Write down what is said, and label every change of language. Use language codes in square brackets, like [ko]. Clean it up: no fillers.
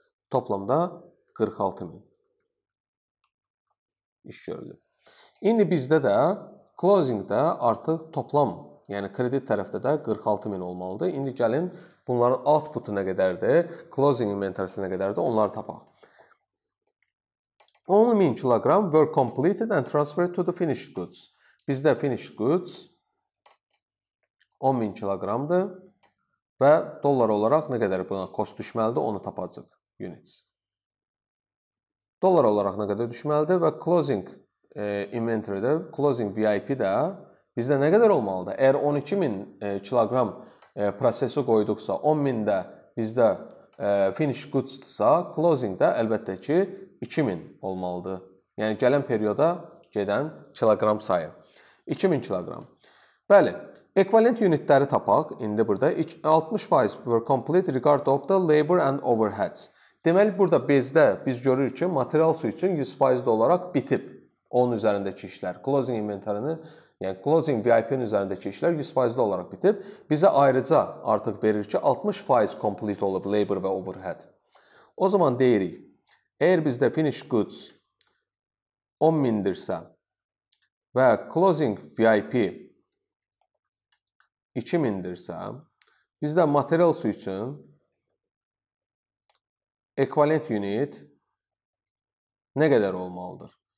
[az] Toplamda 46.000 iş görülüb. İndi bizdə də closing-də artıq toplam, yəni kredit tərəfdə də 46.000 olmalıdır. İndi gəlin bunların output-u nə qədərdir, closing inventory-si nə qədərdir, onları tapaq. [en] 10.000 kilogram were completed and transferred to the finished goods. [az] Bizdə finished goods 10.000 kilogramdır. Və dollar olaraq nə qədər buna kost düşməlidir, onu tapacaq units. Dollar olaraq nə qədər düşməlidir və closing inventory-də, closing VIP-də bizdə nə qədər olmalıdır? Əgər 12.000 kilogram prosesi qoyduqsa, 10.000-də bizdə finish goods-sa, closing-də əlbəttə ki, 2.000 olmalıdır. Yəni, gələn perioda gedən kilogram sayı. 2.000 kilogram. Bəli. Equivalent unitləri tapaq, indi burada 60% [en] were complete regard of the labor and overheads. [az] Deməli, burada bizdə biz görürük ki, material su üçün 100% olaraq bitib onun üzərindəki işlər. Closing inventory-ni, yəni closing VIP-nin üzərindəki işlər 100% olaraq bitib. Bizə ayrıca artıq verir ki, 60% complete olub labor və overhead. O zaman deyirik, əgər bizdə finished goods 10.000-dirsə və closing VIP 2.000-dirsə, bizdə material su üçün equivalent unit nə qədər olmalıdır?